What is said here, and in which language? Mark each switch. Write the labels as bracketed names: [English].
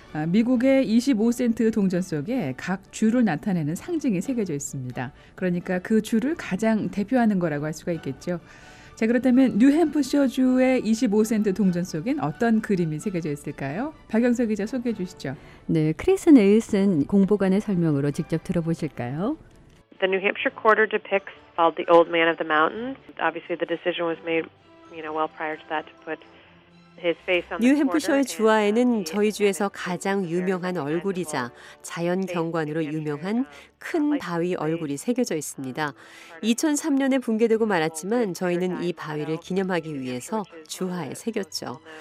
[Korean] 미국의 25센트 동전 속에 각 주를 나타내는 상징이 새겨져 있습니다. 그러니까 그 주를 가장 대표하는 거라고 할 수가 있겠죠. 자, 그렇다면 뉴햄프셔 주의 25센트 동전 속엔 어떤 그림이 새겨져 있을까요? 박영석 기자 소개해 주시죠. 네, 크리스 네일슨 공보관의 설명으로 직접 들어보실까요? [English] The New Hampshire quarter depicts the old man of the mountains. Obviously the decision was made, you know, well prior to that to put [Korean] 뉴햄프셔의 주화에는 저희 주에서 가장 유명한 얼굴이자 자연 경관으로 유명한 큰 바위 얼굴이 새겨져 있습니다. 2003년에 붕괴되고 말았지만 저희는 이 바위를 기념하기 위해서 주화에 새겼죠.